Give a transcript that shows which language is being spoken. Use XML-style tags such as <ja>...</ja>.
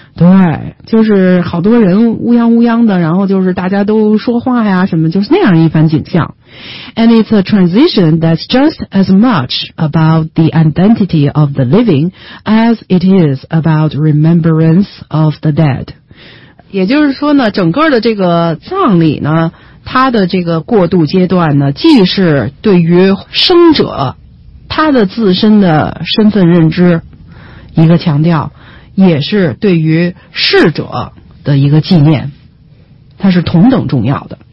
<zh>对，就是好多人乌泱乌泱的，然后就是大家都说话呀什么，就是那样一番景象。</zh> <en>And it's a transition that's just as much about the identity of the living as it is about remembrance of the dead.</en> <zh>也就是说呢，整个的这个葬礼呢，它的这个过渡阶段呢，既是对于生者他的自身的身份认知一个强调，也是对于逝者的一个纪念，它是同等重要的。</zh>